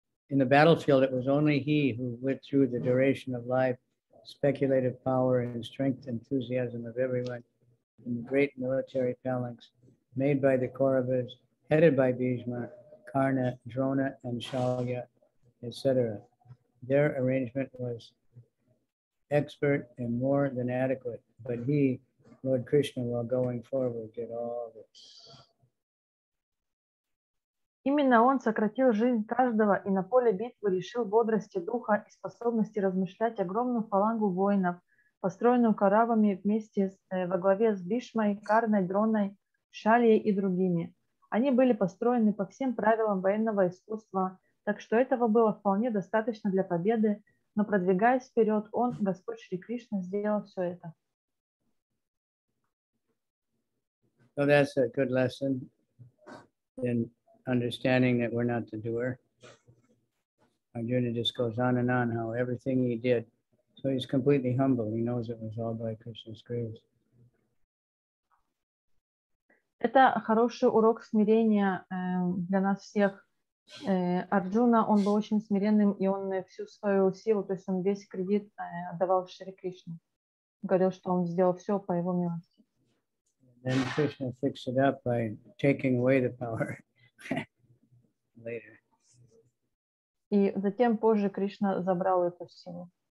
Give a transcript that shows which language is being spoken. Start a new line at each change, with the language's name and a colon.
English: In the battlefield, it was only he who withdrew the duration of life, speculative power, and strength enthusiasm of everyone in the great military phalanx made by the Kauravas, headed by Bhishma, Karna, Drona, and Shalya, etc. Their arrangement was expert and more than adequate, but he, Lord Krishna, while going forward, did all this.
Russian: Именно он сократил жизнь каждого и на поле битвы лишил бодрости духа и способности размышлять огромную фалангу воинов, построенную Кауравами вместе во главе с Бишмой, Карной, Дроной, Шальей и другими. Они были построены по всем правилам военного искусства, так что этого было вполне достаточно для победы, но продвигаясь вперед, он, Господь Шри Кришна, сделал все это.
English: So that's a good lesson in understanding that we're not the doer. Arjuna just goes on and on how everything he did. So he's completely humble. He knows it was all by Krishna's grace.
Russian: Это хороший урок смирения для нас всех. Арджуна, он был очень смиренным, и он всю свою силу, то есть он весь кредит отдавал Шри Кришне. Говорил, что он сделал все по его милости.
English: Then Krishna fixed it up by taking away the power later.
Russian: И затем позже Кришна забрал эту силу.